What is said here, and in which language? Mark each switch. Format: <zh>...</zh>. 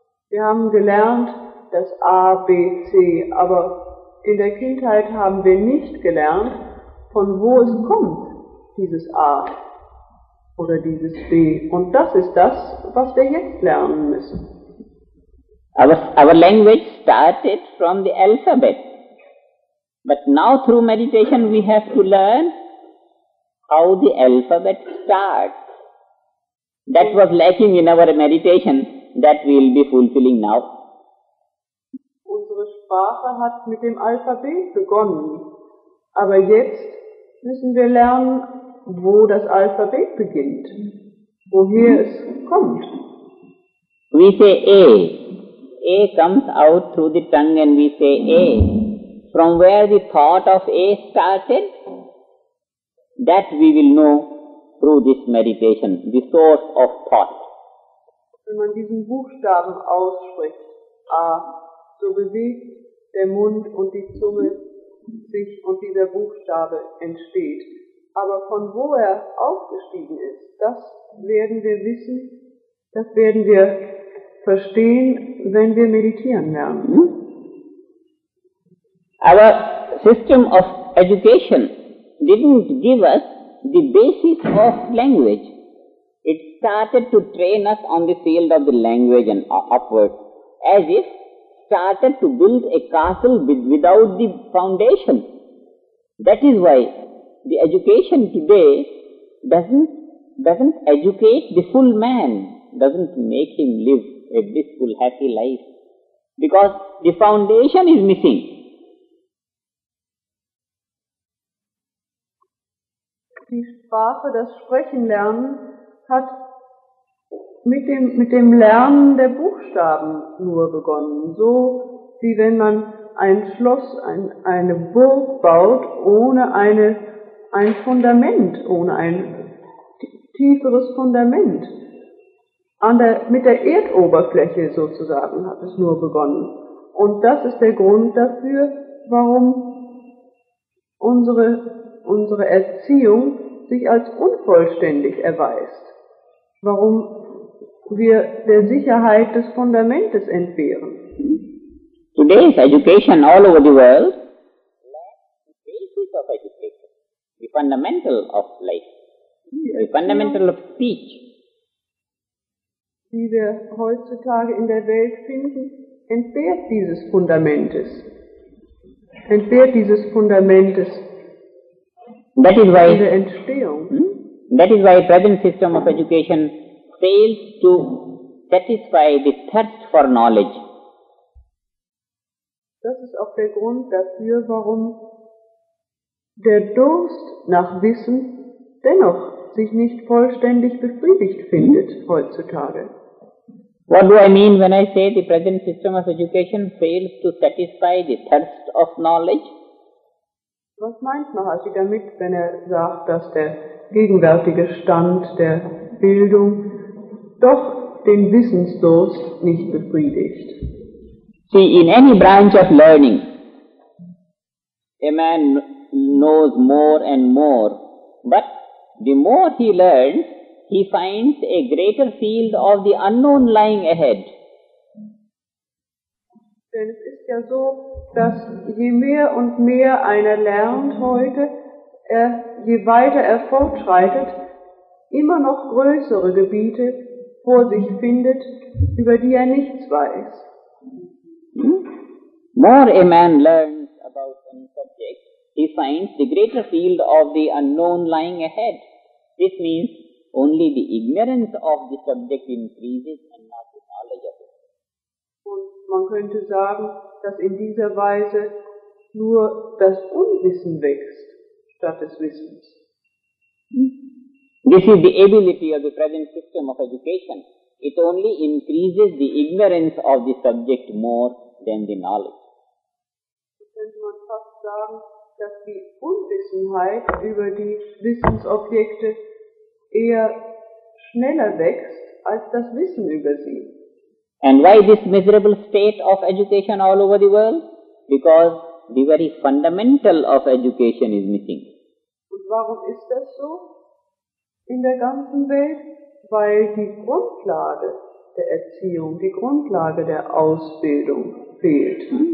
<de>Wir haben gelernt das A, B, C, aber in der Kindheit haben wir nicht gelernt, von wo es kommt, dieses A oder dieses B. Und das ist das, was wir jetzt lernen müssen.</de> <en>Our language started from the alphabet, but now through meditation we have to learn how the alphabet starts. That was lacking in our meditation, that we will be fulfilling now.</en> <de>Unsere Sprache hat mit dem Alphabet begonnen, aber jetzt müssen wir lernen, wo das Alphabet beginnt, woher es kommt.</de> <en>We say A. A comes out through the tongue and we say A. From where the thought of A started, that we will know through this meditation, the source of thought.</en> <de>Wenn man diesen Buchstaben ausspricht, A, so bewegt der Mund und die Zunge sich und dieser Buchstabe entsteht. Aber von wo er aufgestiegen ist, das werden wir wissen, das werden wir verstehen, wenn wir meditieren lernen.</de> <en>Our system of education didn't give us the basis of language. It started to train us on the field of the language and upwards, as if started to build a castle without the foundation. That is why The education today doesn't educate the full man, doesn't make him live a blissful, happy life, because the foundation is missing.</en> <de>Die Sprache, das Sprechen lernen, hat mit dem Lernen der Buchstaben nur begonnen. So wie wenn man ein Schloss, eine Burg baut, ohne ein Fundament, ohne ein tieferes Fundament. Mit der Erdoberfläche sozusagen hat es nur begonnen. Und das ist der Grund dafür, warum unsere Erziehung sich als unvollständig erweist, warum wir der Sicherheit des Fundamentes entbehren.</de> <en>Today's education all over the world lacks the basis of education, the fundamental of life, the fundamental of speech.</en> <de>Wie wir heutzutage in der Welt finden, entbehrt dieses Fundamentes.</de> <en>That is why present system of education fails to satisfy the thirst for knowledge.</en> <de>Das ist auch der Grund dafür, warum der Durst nach Wissen dennoch sich nicht vollständig befriedigt findet heutzutage.</de> <en>What do I mean when I say the present system of education fails to satisfy the thirst of knowledge?</en> <de>Was meint Maharshi damit, wenn er sagt, dass der gegenwärtige Stand der Bildung doch den Wissensdurst nicht befriedigt?</de> <en>See, in any branch of learning, a man knows more and more, but the more he learns, he finds a greater field of the unknown lying ahead.</en> <de>Denn es ist ja so, dass je mehr und mehr einer lernt heute, je weiter er fortschreitet, immer noch größere Gebiete vor sich findet, über die er nichts weiß.</de> <en>More a man learns about any subject, he finds the greater field of the unknown lying ahead. This means only the ignorance of the subject increases and not the knowledge of it.</en> <de>Und man könnte sagen, dass in dieser Weise nur das Unwissen wächst, statt des Wissens.</de> <en>This is the ability of the present system of education. It only increases the ignorance of the subject more than the knowledge.</en> <de>Jetzt könnte man fast sagen, dass die Unwissenheit über die Wissensobjekte eher schneller wächst als das Wissen über sie.</de> <en>And why this miserable state of education all over the world? Because the very fundamental of education is missing.</en> <de>Und warum ist das so in der ganzen Welt? Weil die Grundlage der Erziehung, die Grundlage der Ausbildung fehlt.</de>